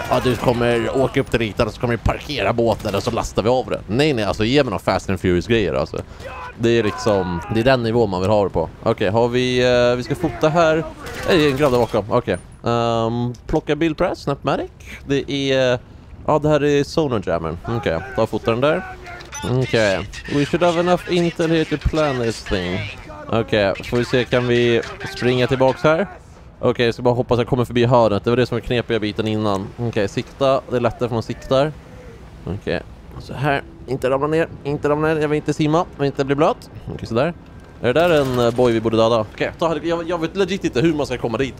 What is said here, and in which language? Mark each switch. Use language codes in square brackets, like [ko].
[sv] Ja, du kommer åka upp till ritan och så kommer vi parkera båten och så lastar vi av den. Nej, nej. Alltså ge mig någon Fast and Furious-grejer alltså. Det är liksom... Det är den nivån man vill ha det på. Okej, har vi... Vi ska fota här. Det är en grabb där bakom. Okej. Plocka bilpress. Snapmatic. Det är... Ja, det här är Sonar Jammer. Okej, ta fota den där. Okej. [en] We should have enough intel here to plan this thing. [sv] Okej, får vi se, kan vi springa tillbaks här? Okej, så bara hoppas att jag kommer förbi hörnet. Det var det som var knepiga biten innan. Okej, sikta. Det är lättare för man siktar. Okej, så här. Inte ramla ner, inte ramla ner. Jag vill inte simma, jag vill inte bli blöt. Okej, så där. Är det där en boy vi borde döda? Okej, jag vet legit inte hur man ska komma dit.